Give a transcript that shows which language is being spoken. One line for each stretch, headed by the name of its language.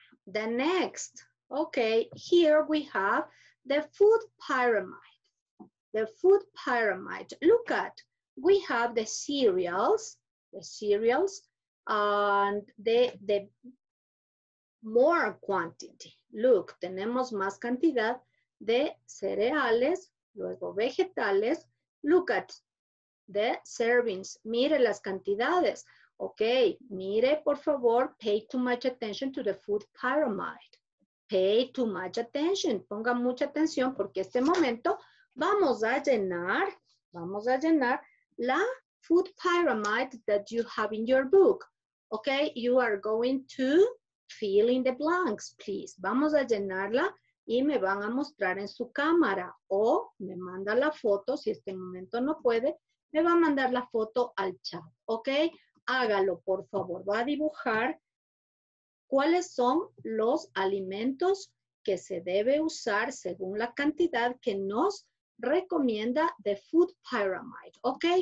English: The next, okay, here we have the food pyramid. The food pyramid, look at, we have the cereals, and the more quantity. Look,
Spanish: tenemos más cantidad de cereales, luego vegetales.
English: Look at the servings.
Spanish: Mire las cantidades.
English: Ok,
Spanish: mire, por favor,
English: pay too much attention to the food pyramid. Pay too much attention.
Spanish: Ponga mucha atención porque este momento vamos a llenar, la
English: food pyramid that you have in your book. Ok, you are going to fill in the blanks, please.
Spanish: Vamos a llenarla y me van a mostrar en su cámara o me manda la foto, si este momento no puede, me va a mandar la foto al chat, ¿ok? Hágalo, por favor. Va a dibujar cuáles son los alimentos que se debe usar según la cantidad que nos recomienda
English: the food pyramid,
Spanish: ¿ok?